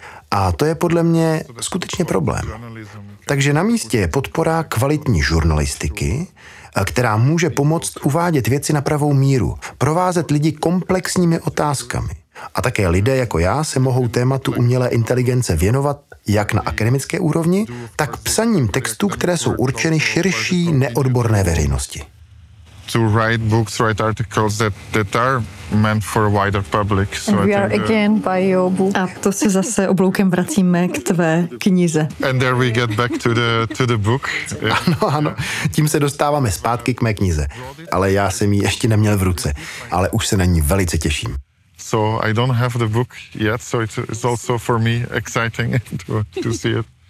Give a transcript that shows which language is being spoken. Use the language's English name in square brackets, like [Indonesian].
[Czech] A to je podle mě skutečně problém. Takže na místě je podpora kvalitní žurnalistiky, která může pomoct uvádět věci na pravou míru, provázet lidi komplexními otázkami. A také lidé jako já se mohou tématu umělé inteligence věnovat jak na akademické úrovni, tak psaním textů, které jsou určeny širší neodborné veřejnosti. [English] To write books, write articles that are meant for a wider public. So and we are again by your book. [Czech] A to se zase obloukem vracíme k tvé knize. [English] And there we get back to the book. Yeah. [Czech] Ano, ano, tím se dostáváme zpátky k mé knize. Ale já jsem ji ještě neměl v ruce, ale už se na ní velice těším. [English] So I don't have the book yet, so it's also for me exciting to see it.